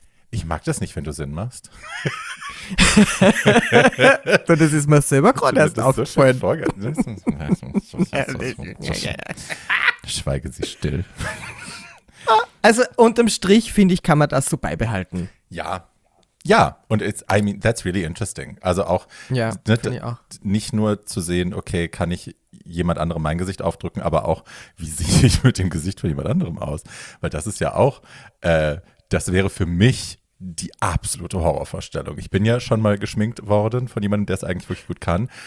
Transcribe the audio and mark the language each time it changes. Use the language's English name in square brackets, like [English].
[German] Ich mag das nicht, wenn du Sinn machst. Das ist mir selber gerade erst aufgefallen. So schweige sie still. Also unterm Strich, finde ich, kann man das so beibehalten. Ja. Ja, und [English] it's, I mean, that's really interesting. [German] Also auch, ja, auch nicht nur zu sehen, okay, kann ich jemand anderem mein Gesicht aufdrücken, aber auch, wie sehe ich mit dem Gesicht von jemand anderem aus? Weil das ist ja auch, das wäre für mich die absolute Horrorvorstellung. Ich bin ja schon mal geschminkt worden von jemandem, der es eigentlich wirklich gut kann.